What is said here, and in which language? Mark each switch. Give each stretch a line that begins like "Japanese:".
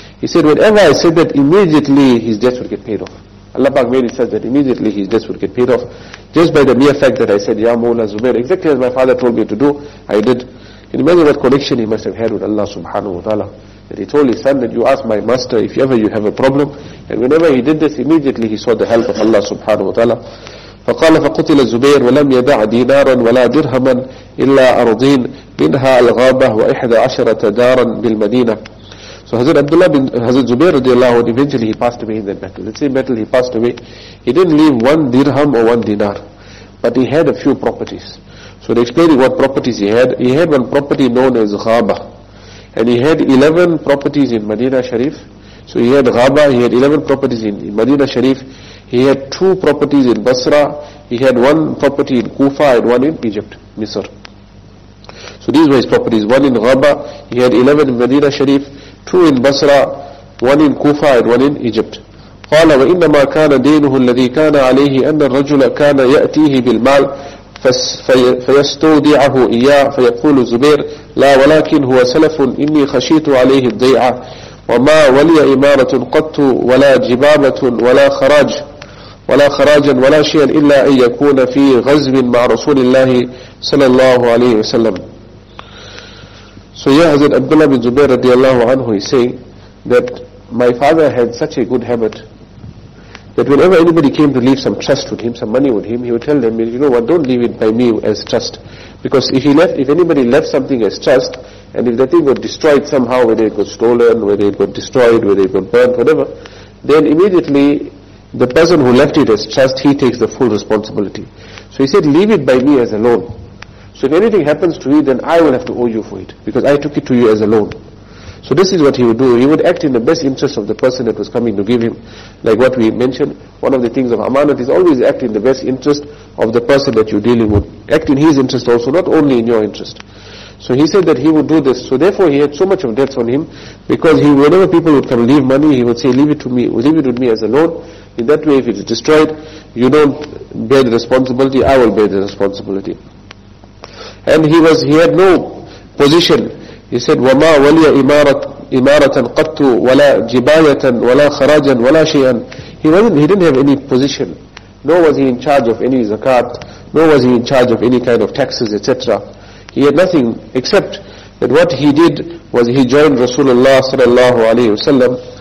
English: He said, whenever I said that, immediately his debts would get paid off. Allah Pak made it says that immediately his debts would get paid off. Just by the mere fact that I said, Ya Mawla Zubair, exactly as my father told me to do, I did. Can you imagine what connection he must have had with Allah subhanahu wa ta'ala? That he told his son that you ask my master if ever you have a problem. And whenever he did this, immediately he saw the help of Allah subhanahu wa ta'ala.
Arabic: فَقَالَ فَقُتِلَ الزُّبَيْرُ وَلَمْ يَدَعْ دِينَارًا وَلَا دِرْهَمًا إِلَّا أَرْضِينَ مِنْهَا الْغَابَةُ وَإِحْدَى عَشَرَةَ دَارًا بِالْمَدِينَةِ.
English: So Hazrat Abdullah bin Hazrat Zubair radiallahu anhu, eventually he passed away in that battle. Let's say battle he passed away. He didn't leave one dirham or one dinar, but he had a few properties. So to explain what properties he had one property known as Ghaba. And he had 11 properties in Medina Sharif. So he had Ghaba, he had 11 properties in Medina Sharif. He had 2 properties in Basra. He had 1 property in Kufa and 1 in Egypt, Misr. So these were his properties. 1 in Ghaba, he had 11 in Medina Sharif, 2 in Basra, 1 in Kufa and 1 in Egypt.
Arabic: قَالَ وَإِنَّمَا كَانَ دِينُهُ الَّذِي كَانَ عَلَيْهِ أَنَّ الرَّجُلَ كَانَ يَأْتِيهِ بِالْمَالِ فيستودعه إياه فيقول زبير لا ولكن هو سلف إني خشيت عليه الضيعة وما ولي إمارة قط ولا جبابة ولا خراج ولا خراجا ولا شيئا إلا أن يكون في غزو مع رسول الله صلى الله عليه وسلم.
English: So yeah, Hazrat Abdullah bin Zubair radiallahu anhu, he say that my father had such a good habit that whenever anybody came to leave some trust with him, some money with him, he would tell them, you know what, don't leave it by me as trust. Because if anybody left something as trust, and if the thing got destroyed somehow, whether it got stolen, whether it got destroyed, whether it got burnt, whatever, then immediately the person who left it as trust, he takes the full responsibility. So he said, leave it by me as a loan. So if anything happens to you, then I will have to owe you for it, because I took it to you as a loan. So this is what he would do. He would act in the best interest of the person that was coming to give him. Like what we mentioned, one of the things of amanat is always act in the best interest of the person that you're dealing with. Act in his interest also, not only in your interest. So he said that he would do this. So therefore he had so much of debts on him, because he, whenever people would come leave money, he would say, leave it to me, leave it with me as a loan. In that way, if it's destroyed, you don't bear the responsibility, I will bear the responsibility. And he had no position. He said,
Arabic: وَمَا وَلِيَ إِمَارَةً قَطُّ وَلَا جِبَايَةً وَلَا خَرَاجًا وَلَا شَيْئًا.
English: He didn't have any position, nor was he in charge of any zakat, nor was he in charge of any kind of taxes, etc. He had nothing except that what he did was he joined Rasulullah sallallahu alayhi wa sallam.